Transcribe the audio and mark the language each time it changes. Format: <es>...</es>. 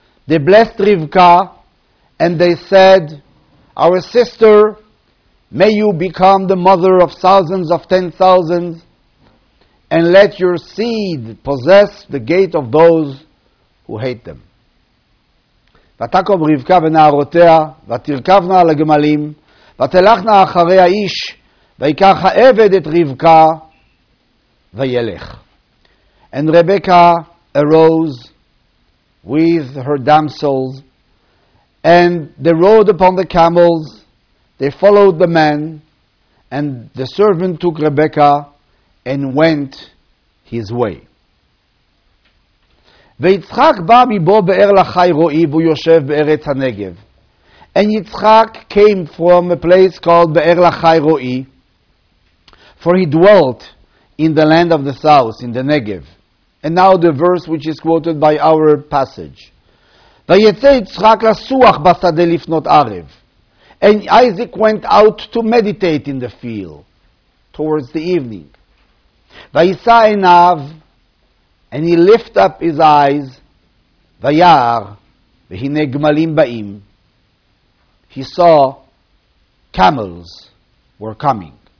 <en>They blessed Rivka and they said, "Our sister, may you become the mother of thousands of ten thousands, and let your seed possess the gate of those who hate them."</en> <he>ותקב רבקה ונערותיה, ותרכבנה על הגמלים, ותלכנה אחרי האיש, ויקח העבד את רבקה, וילך.</he> <en>And Rebecca arose with her damsels, and they rode upon the camels, they followed the man, and the servant took Rebecca and went his way.</en> <he>ויצחק בא מבו באר לחי רועי, והוא יושב בארץ הנגב.</he> <en>And Yitzchak came from a place called באר לחי רועי, for he dwelt in the land of the south, in the Negev. And now the verse which is quoted by our passage.</en> <he>ויצא יצחק לסוח בשדה לפנות ערב.</he> <en>And Isaac went out to meditate in the field, towards the evening.</en> <he>ויישא עיניו,</he> <en>and he lift up his eyes,</en> <he>ויער, והנה גמלים באים.</he> <en>He saw camels were coming.</en>